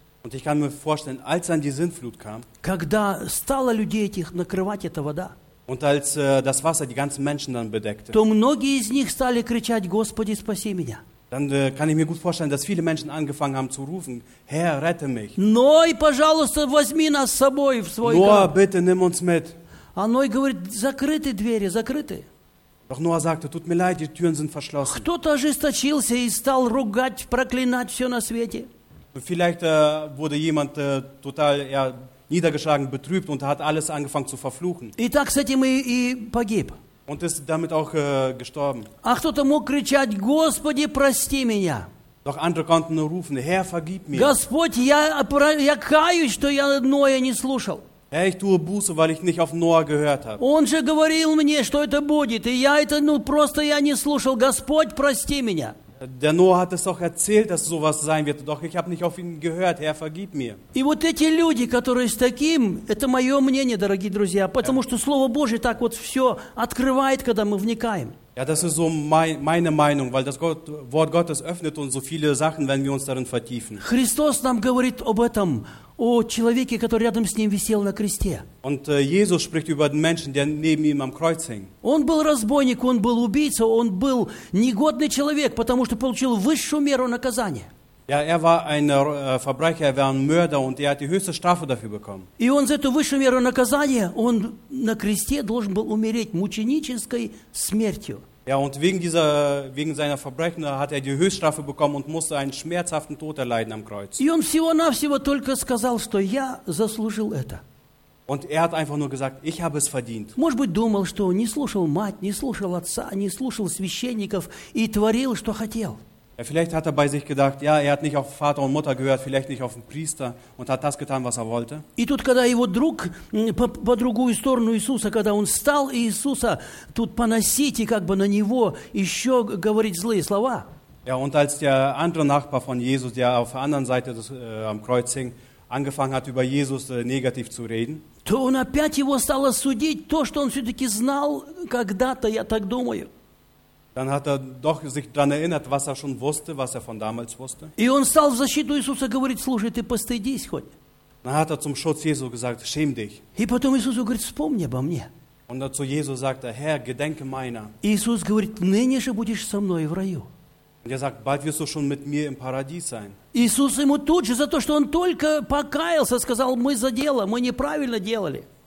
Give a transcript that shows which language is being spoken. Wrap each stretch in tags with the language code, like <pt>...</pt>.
<de>Und ich kann mir vorstellen, als dann die Sintflut kam.</de> <ru>Когда стало людей этих накрывать эта вода.</ru> <de>Und als das Wasser die ganzen Menschen dann bedeckte.</de> <ru>То многие из них стали кричать: "Господи, спаси меня."</ru> <de>Dann kann ich mir gut vorstellen, dass viele Menschen angefangen haben zu rufen: "Herr, rette mich."</de> <ru>Ной, пожалуйста, возьми нас с собой в свой дом.</ru> <de>Ноа, bitte nimm uns mit.</de> <ru>А Ной говорит: "Закрыты двери, закрыты."</ru> <de>Doch Noah sagte: "Tut mir leid, die Türen sind verschlossen."</de> <ru>Кто-то ожесточился и стал ругать, проклинать все на свете.</ru> <de>Vielleicht wurde jemand total niedergeschlagen, betrübt und hat alles angefangen zu verfluchen.</de> <ru>И так с этим и погиб.</ru> <de>Und ist damit auch gestorben.</de> <ru>А кто-то мог кричать: "Господи, прости меня."</ru> <de>Doch andere konnten rufen: "Herr, vergib mir."</de> <ru>Господь, я каюсь, что я Ноя не слушал.</ru> <de>Herr, ich tue Buße, weil ich nicht auf Noah gehört habe.</de> <ru>Он же говорил мне, что это будет, и я это, ну, просто я не слушал. Господь, прости меня.</ru> <de>Der Noah hat es doch erzählt, dass sowas sein wird. Doch ich habe nicht auf ihn gehört. Herr, vergib mir.</de> <ru>И вот эти люди, которые с таким, это мое мнение, дорогие друзья, потому что Слово Божье так вот все открывает, когда мы вникаем.</ru> <de>Ja, das ist so meine Meinung, weil das Wort Gottes öffnet uns so viele Sachen, wenn wir uns darin vertiefen.</de> <ru>Христос нам говорит об этом, о человеке, который рядом с ним висел на кресте.</ru> <de>Und Jesus spricht über den Menschen, der neben ihm am Kreuz hing.</de> <ru>Он был разбойник, он был убийца, он был негодный человек, потому что получил высшую меру наказания.</ru> <de>Ja, er war ein Verbrecher, er war ein Mörder und er hat die höchste Strafe dafür bekommen.</de> <ru>И он за эту высшую меру наказания, он на кресте должен был умереть мученической смертью.</ru> <de>Ja, und wegen seiner Verbrechen hat er die Höchststrafe bekommen und musste einen schmerzhaften Tod erleiden am Kreuz.</de> <ru>И он всего-навсего только сказал, что я заслужил это.</ru> <de>Und er hat einfach nur gesagt: "Ich habe es verdient."</de> <ru>Может быть, думал, что не слушал мать, не слушал отца, не слушал священников и творил, что хотел.</ru> <de>Vielleicht hat er bei sich gedacht: "Ja, er hat nicht auf Vater und Mutter gehört, vielleicht nicht auf den Priester und hat das getan, was er wollte."</de> <ru>И тут, когда его друг по другую сторону Иисуса, когда он стал Иисуса тут поносить и как бы на него еще говорить злые слова.</ru> <de>Ja, und als der andere Nachbar von Jesus, der auf der anderen Seite des am Kreuz hing, angefangen hat, über Jesus negativ zu reden.</de> <ru>То он опять его стал судить то, что он все-таки знал когда-то, я так думаю.</ru> <de>Dann hat er doch sich daran erinnert, was er schon wusste, was er von damals wusste.</de> <ru>И он стал в защиту Иисуса говорить: "Слушай, ты постыдись хоть."</ru> <de>Dann hat er zum Schutz Jesu gesagt: "Schäm dich."</de> <ru>И потом Иисус говорит: "Вспомни обо мне."</ru> <de>Und dazu Jesus sagte: "Herr, gedenke meiner."</de> <ru>Иисус говорит: "Ныне же будешь со мной в раю."</ru> <de>Und er sagt: "Bald wirst du schon mit mir im Paradies sein."</de> <ru>Иисус ему тут же за то, что он только покаялся, сказал: "Мы за дело, мы неправильно делали."</ru>